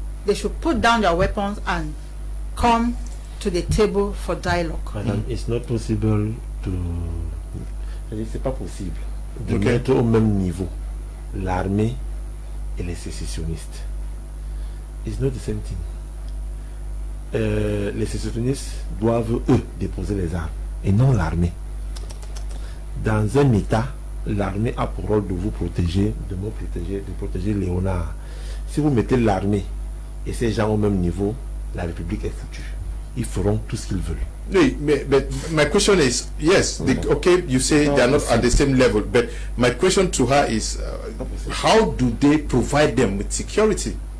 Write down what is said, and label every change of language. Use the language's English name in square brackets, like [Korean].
[English] They should put down their weapons and come to the table for dialogue. Madame, it's not possible to. [French] C'est pas possible de mettre au même niveau l'armée et les sécessionnistes. [English] It's not the same thing. [French] Les sécessionnistes doivent, eux, déposer les armes et non l'armée. Dans un État, l'armée a pour rôle de vous protéger, de me protéger, de protéger Léonard. Si vous mettez l'armée et ces gens au même niveau, la République est foutue. ils feront tout ce qu'ils veulent. [English] Oui, but my question is, yes, the, okay, you say they are not at the same level, but my question to her is, how do they provide them with security?